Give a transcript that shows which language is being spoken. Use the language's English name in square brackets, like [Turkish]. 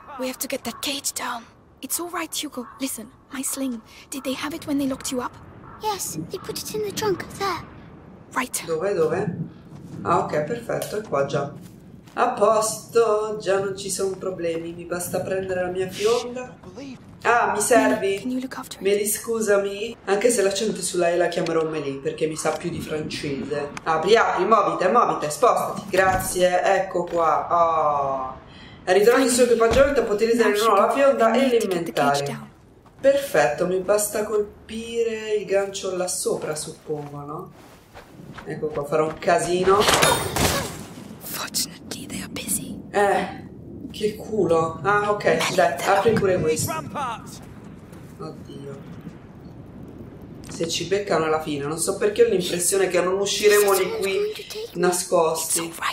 [English] We have to get that cage down. It's alright, Hugo. Listen, my sling. Did they have it when they locked you up? Yes, they put it in the trunk there. Right. [Italian] Dove? Ah, ok, perfetto, è qua già. A posto, già non ci sono problemi. Mi basta prendere la mia fionda. Ah, mi servi? Meli, scusami. Anche se l'accento sulla E la chiamerò Meli, perché mi sa più di francese. Apri, apri, muovite, muovite, spostati. Grazie, ecco qua. Oh. Ritorno sul suo equipaggiamento dopo utilizzare di nuovo la fionda e l'inventario. Perfetto, mi basta colpire il gancio là sopra, suppongo, no? Ecco qua, farò un casino. [English] Fortunately they are busy. [Italian] Che culo. Ah, ok, dai, apri pure questo. Oddio. Se ci beccano alla fine, non so perché ho l'impressione che non usciremo di qui nascosti.